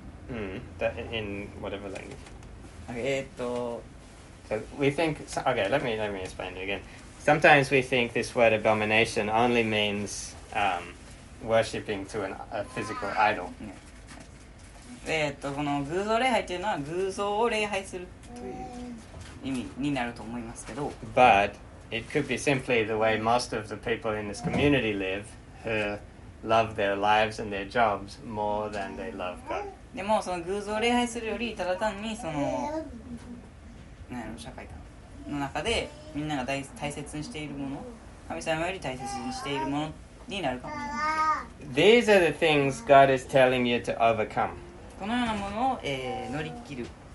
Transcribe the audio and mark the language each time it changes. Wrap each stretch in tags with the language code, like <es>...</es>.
<en>In whatever language. Okay, So we think. Okay, let me explain it again. Sometimes we think this word abomination only means worshipping to a physical idol. Yeah.</en> <ja>この Guzo lehai というのは Guzo を礼拝する。という意味になると思いますけど</ja> <en>But it could be simply the way most of the people in this community live who love their lives and their jobs more than they love God.</en> <ja>でもその偶像を礼拝するよりただ単にその何やろ社会の中でみんなが 大切にしているもの神様より大切にしているものになるかもしれない</ja> <en>These are the things God is telling you to overcome.</en> <ja>このようなものを、乗り切る</ja>